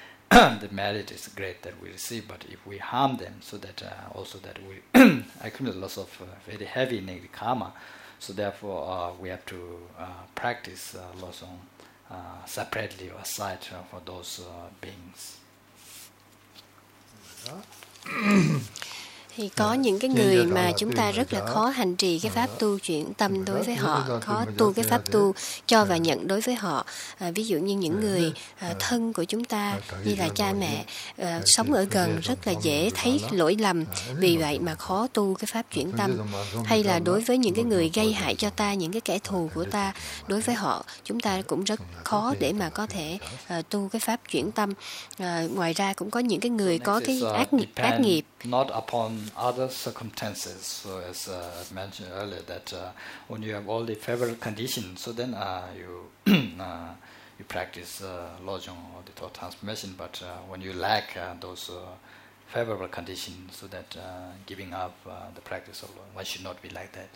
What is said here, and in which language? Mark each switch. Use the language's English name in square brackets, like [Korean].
[English] the merit is great that we receive, but if we harm them so that also that we accumulate lots of very heavy negative karma, so therefore we have to practice lojong separately or aside for those beings. [Vietnamese] Thì có những cái người mà chúng ta rất là khó hành trì cái pháp tu chuyển tâm đối với họ, khó tu cái pháp tu cho và nhận đối với họ. Ví dụ như những người thân của chúng ta như là cha mẹ sống ở gần rất là dễ thấy lỗi lầm, vì vậy mà khó tu cái pháp chuyển tâm. Hay là đối với những cái người gây hại cho ta, những cái kẻ thù của ta, đối với họ chúng ta cũng rất khó để mà có thể tu cái pháp chuyển tâm. Ngoài ra cũng có những cái người có cái ác nghiệp. [English] Not upon other circumstances. So as mentioned earlier, that when you have all the favorable conditions, so then you practice lojong or the thought transformation. But when you lack those favorable conditions, so that giving up the practice of lojong, one should not be like that.